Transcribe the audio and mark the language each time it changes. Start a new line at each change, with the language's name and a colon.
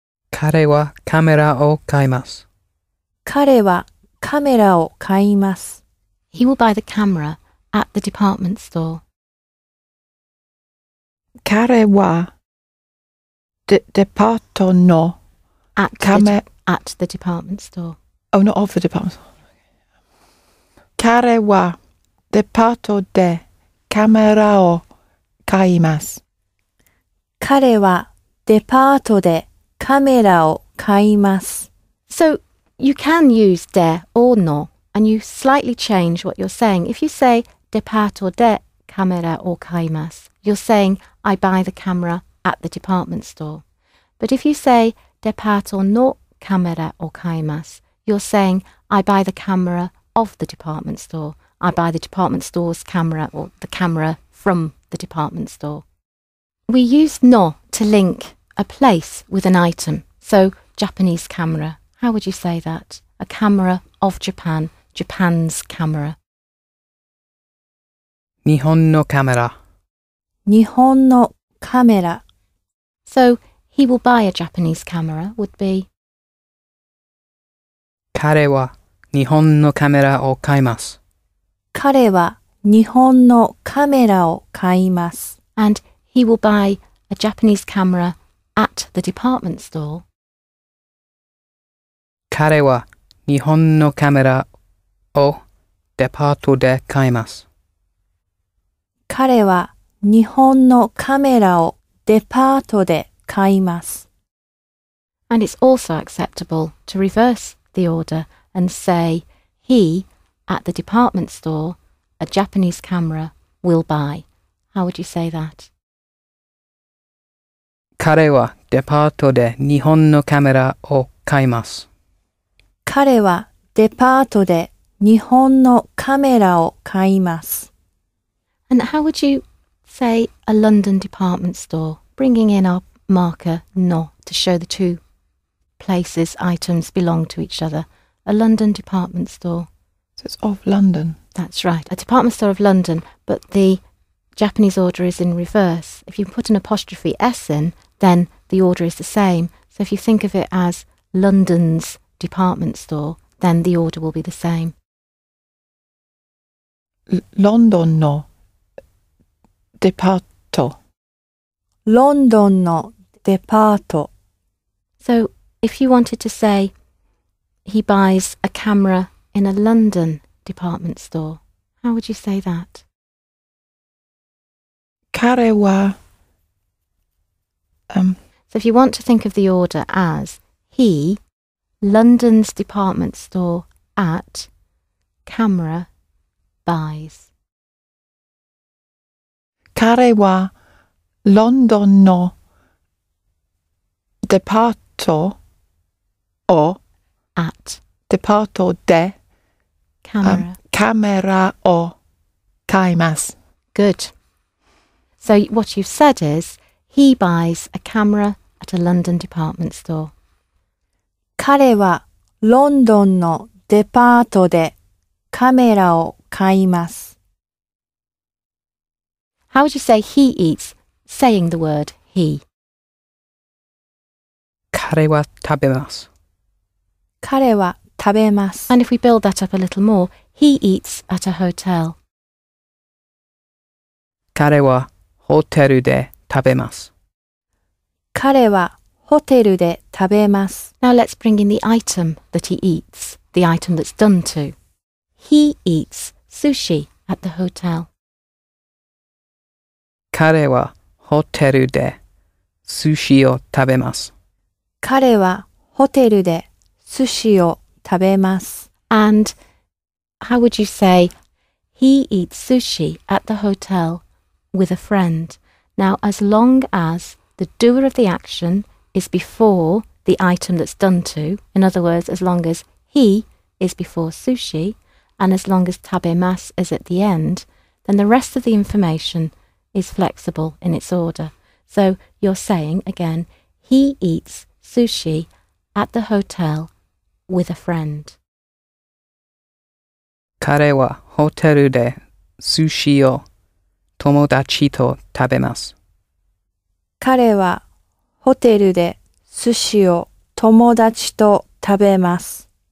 Japanese: 彼はカメラを買います。彼はカメラを買います。
English: He will buy the camera at the department store.
Japanese: 彼はデパートのカメ
English: at the department store. Oh, not of the department store.
Japanese: 彼はデパートでカメラを買います。彼はデパートでカメラを買います。
English: So, you can use で or no, and you slightly change what you're saying. If you say
Japanese: デパートでカメラを買います,
English: you're saying, I buy the camera at the department store. But if you say
Japanese: デパートのカメラを買います,
English: you're saying, I buy the camera of the department store. I buy the department store's camera, or the camera from the department store. We use の to link a place with an item. So, Japanese camera. How would you say that? A camera of Japan. Japan's camera.
Japanese: 日本のカメラ。日本のカメラ。
English: So, he will buy a Japanese camera would be?
Japanese: 彼は日本のカメラを買います。彼は日本のカメラを買います。
English: And he will buy a Japanese camera at the department store.
Japanese: 彼は日本のカメラをデパートで買います。彼は日本のカメラをデパートで買います。
English: And it's also acceptable to reverse the order and say he... At the department store, a Japanese camera will buy. How would you say that?
Japanese: 彼はデパートで日本のカメラを買います。彼はデパートで日本のカメラを買います。
English: And how would you say a London department store, bringing in our marker no to show the two places items belong to each other? A London department store. So it's of London. That's right. A department store of London, but the Japanese order is in reverse. If you put an apostrophe S in, then the order is the same. So if you think of it as London's department store, then the order will be the same.
Japanese: London のデパート. London のデパート.
English: So if you wanted to say he buys a camera... In a London department store, how would you say that?
Japanese: 彼は
English: So if you want to think of the order as he, London's department store at, camera, buys.
Japanese: 彼は London のデパート
English: or at
Japanese: デパートで
English: Camera. Camera
Japanese: を買います。
English: Good. So what you've said is, he buys a camera at a London department store.
Japanese: 彼はロンドンのデパートでカメラを買います。
English: How would you say he eats, saying the word he?
Japanese: 彼は食べます。彼は食べます。
English: And if we build that up a little more, he eats at a hotel.
Japanese: 彼はホテルで食べます。彼はホテルで食べます。
English: Now let's bring in the item that he eats, the item that's done to. He eats sushi at the hotel.
Japanese: 彼はホテルで寿司を食べます。彼はホテルで寿司を食べます。
English: And how would you say he eats sushi at the hotel with a friend? Now, as long as the doer of the action is before the item that's done to, in other words, as long as he is before sushi, and as long as tabemasu is at the end, then the rest of the information is flexible in its order. So you're saying, again, he eats sushi at the hotel with a friend.
Japanese: 彼はホテルで寿司を友達と食べます。彼はホテルで寿司を友達と食べます。